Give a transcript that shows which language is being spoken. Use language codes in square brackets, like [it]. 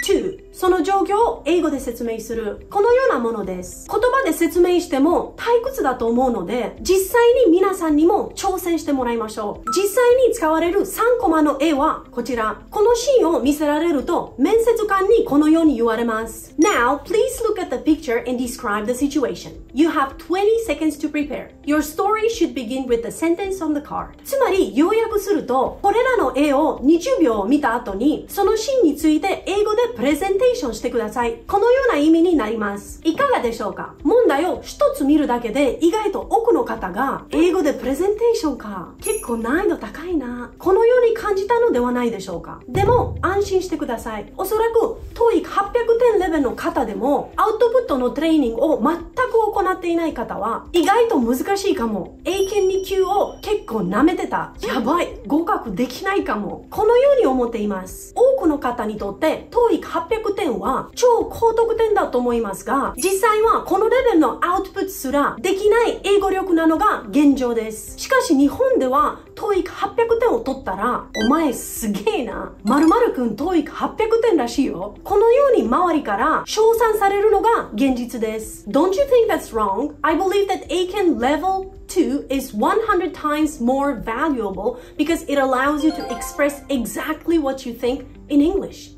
[ja] 2、その状況を英語で説明する。このようなものです。言葉で説明しても退屈だと思うので、実際に皆さんにも挑戦してもらいましょう。実際に使われる3コマの絵はこちら。このシーンを見せられると、面接官にこのように言われます。 [en] Now, please look at the picture and describe the situation. You have 20 seconds to prepare. Your story should begin with the sentence on the card. [ja] つまり、要約すると、これらの絵を20秒見た後に、そのシーンについて英語でプレゼンテーションしてください。このような意味になります。いかがでしょうか？問題を一つ見るだけで意外と多くの方が英語でプレゼンテーションか。結構難易度高いな。このように感じたのではないでしょうか？でも安心してください。おそらく TOEIC 800点レベルの方でもアウトプットのトレーニングを全く行っていない方は意外と難しいかも。英検2級を結構舐めてた。やばい。合格できないかも。このように思っています。多くの方にとって TOEIC 800点は超高得点だと思いますが、実際はこのレベルのアウトプットすらできない英語力なのが現状です。しかし日本では TOEIC 800点を取ったら、お前すげえな。〇〇くん TOEIC 800点らしいよ。このように周りから称賛されるのが現実です。 [en] Don't you think that's wrong? I believe that AKEN level 2 is 100 times more valuable because it allows you to express exactly what you think in English.